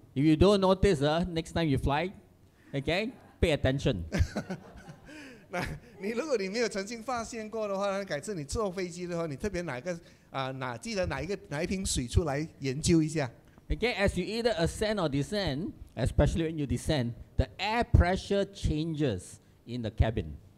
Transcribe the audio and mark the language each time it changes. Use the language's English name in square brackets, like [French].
[English] If you don't notice, next time you fly, okay, pay attention. [Chinese] 那你如果你没有曾经发现过的话，改次你坐飞机的话，你特别记得哪一瓶水出来研究一下。 [English] Okay, as you either ascend or descend, especially when you descend, the air pressure changes in the cabin.